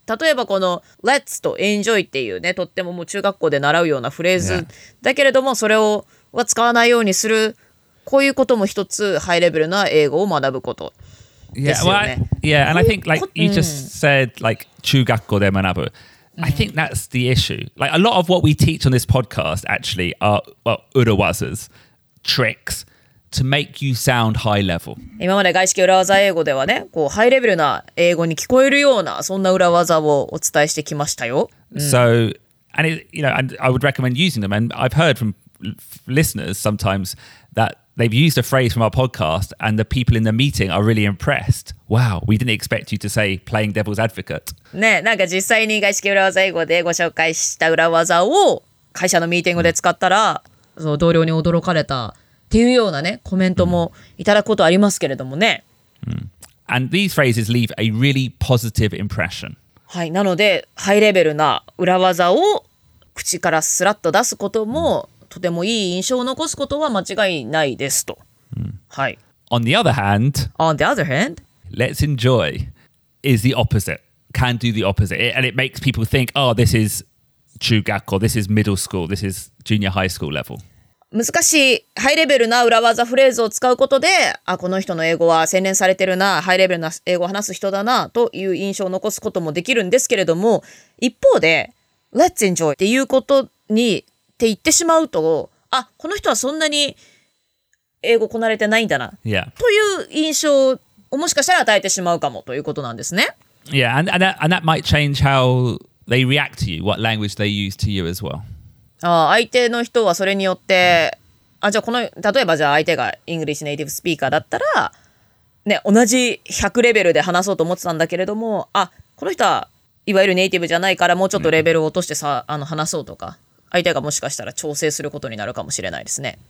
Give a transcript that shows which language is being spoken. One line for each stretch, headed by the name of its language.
Japanese: 例えばこの Let's と Enjoy っていうね、とってももう中学校で習うようなフレーズだけれども、それをは使わないようにする、こういうことも一つハイレベルな英語を学ぶこと。
English: Yeah, well, yeah, and I think like you just said, like
Japanese: 中学校で学ぶ.
English: I think that's the issue. Like a lot of what we teach on this podcast actually are well, urawazas, tricks to make you sound high level.
Japanese: 今まで外資系裏技英語ではね、こうハイレベルな英語に聞こえるようなそんな裏技をお伝えしてきましたよ。
English: So, and it, you know, and I would recommend using them. And I've heard from listeners sometimes that. They've used a phrase from our podcast and the people in the meeting are really impressed. Wow, we didn't expect you to say playing devil's advocate.
Japanese: ね、なんか実際に外資系裏技英語でご紹介した裏技を会社のミーティングで使ったら、その同僚に驚かれたっていうようなね、コメントもいただくことありますけれどもね。
English: And these phrases leave a really positive impression.
Japanese: はい、なのでハイレベルな裏技を口からスラッと出すことも、とてもいい印象を残すことは間違いないですと。はい。
English: On the other hand, On the other hand, let's enjoy is the opposite, can do the opposite, and it makes people think, oh, this is 中学校, this is middle school, this is junior high school level.
Japanese: 難しいハイレベルな裏技フレーズを使うことで、あ、この人の英語は洗練されてるな、ハイレベルな英語を話す人だなという印象を残すこともできるんですけれども、一方で
English: let's enjoy
Japanese: っていうことにって言ってしまうと、あ、この人はそんなに英語こなれてないんだな、
English: yeah.
Japanese: という印象をもしかしたら与えてしまうかもということなんですね。
English: Yeah, and that might change how they react to you, what language they use to you as well.
Japanese: あ、相手の人はそれによって、あ、じゃあこの、例えばじゃあ相手がイングリッシュネイティブスピーカーだったら、ね、同じ100レベルで話そうと思ってたんだけれども、あ、この人はいわゆるネイティブじゃないからもうちょっとレベルを落としてさ、あの話そうとか。相手がもしかしたら調整することになるかもしれないですね。